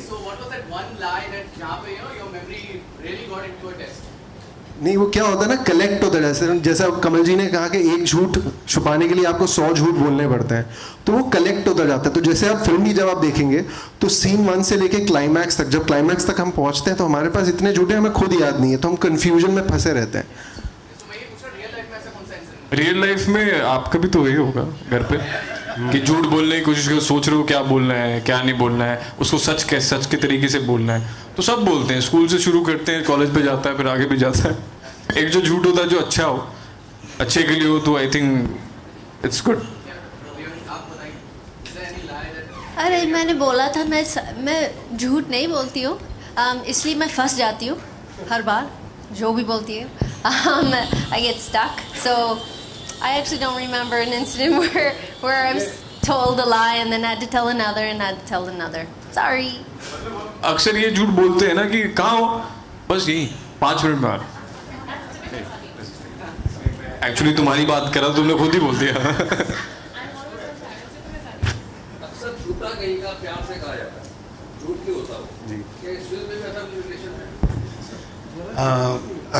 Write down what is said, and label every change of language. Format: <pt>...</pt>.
<en>So what was that one lie that</en> <hi>jahan pe,</hi> <en>you know, your memory really got into a test?</en> <hi>नहीं, वो क्या होता है ना, कलेक्ट होता है, जैसे कमल जी ने कहा कि एक झूठ छुपाने के लिए आपको 100 झूठ बोलने पड़ते हैं, तो वो कलेक्ट होता जाता है। तो जैसे आप फिल्म भी जब आप देखेंगे तो सीन वन से लेके क्लाइमैक्स तक, जब क्लाइमैक्स तक हम पहुंचते हैं तो हमारे पास इतने झूठे हमें खुद याद नहीं है, तो हम कन्फ्यूजन में फंसे रहते हैं। रियल लाइफ में आपका भी तो वही होगा घर पे कि झूठ बोलने की कोशिश कर, सोच रहे हो क्या बोलना है क्या नहीं बोलना है, उसको सच के सच के तरीके से बोलना है, तो सब बोलते हैं, स्कूल से शुरू करते हैं, कॉलेज पे जाता है, फिर आगे भी जाता है। एक जो झूठ होता है जो अच्छा हो, अच्छे के लिए हो, तो</hi> <en>I think it's good.</en> <hi>अरे मैंने बोला था मैं झूठ नहीं बोलती हूँ, इसलिए मैं फंस जाती हूँ हर बार जो भी बोलती हूँ।</hi> <en>I get stuck, so I actually don't remember an incident where I was told a lie and then had to tell another and had to tell another. Sorry.</en> <hi>अक्सर ये झूठ बोलते हैं ना कि कहाँ हो? बस यहीं, पांच मिनट बाद. Actually तुम्हारी बात कर रहा, तुमने खुद ही बोल दिया.</hi>